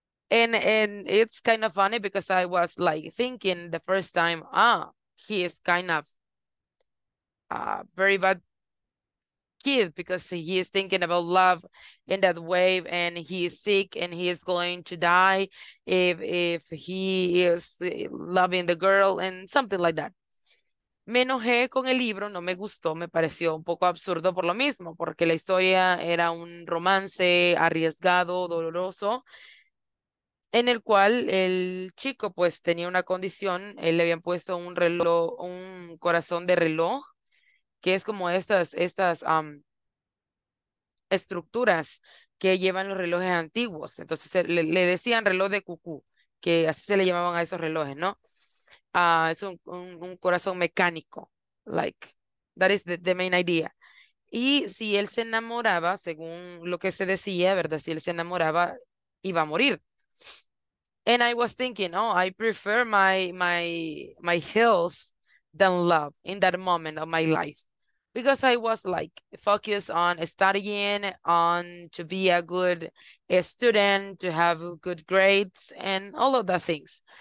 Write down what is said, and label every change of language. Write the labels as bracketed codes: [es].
[en] And it's kind of funny because I was like thinking the first time, ah, he is kind of a very bad kid because he is thinking about love in that way, and he is sick and he is going to die if he is loving the girl and something like that. [es] Me enojé con el libro, no me gustó, me pareció un poco absurdo por lo mismo, porque la historia era un romance arriesgado, doloroso, en el cual el chico pues tenía una condición, le habían puesto un reloj, un corazón de reloj, que es como estas estructuras que llevan los relojes antiguos. Entonces le decían reloj de cucú, que así se le llamaban a esos relojes, ¿no? Es un corazón mecánico, [en] like, that is the main idea. [es] Y si él se enamoraba, según lo que se decía, ¿verdad? Si él se enamoraba, iba a morir. [en] And I was thinking, oh, I prefer my health than love in that moment of my life. Because I was like focused on studying, on to be a good student, to have good grades and all of the things.